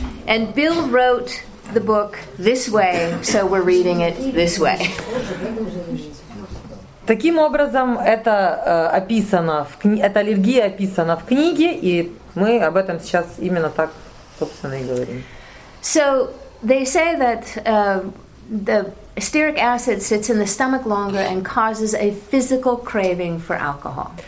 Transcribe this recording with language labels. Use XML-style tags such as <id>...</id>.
<en>And Bill wrote the book this way, so we're reading it this way.</en> <ru>Таким образом, это описано в книге, эта аллергия описана в книге, и мы об этом сейчас именно так, собственно, и говорим.</ru> <en>So they say that the stearic acid sits in the stomach longer and causes a physical craving for alcohol.</en>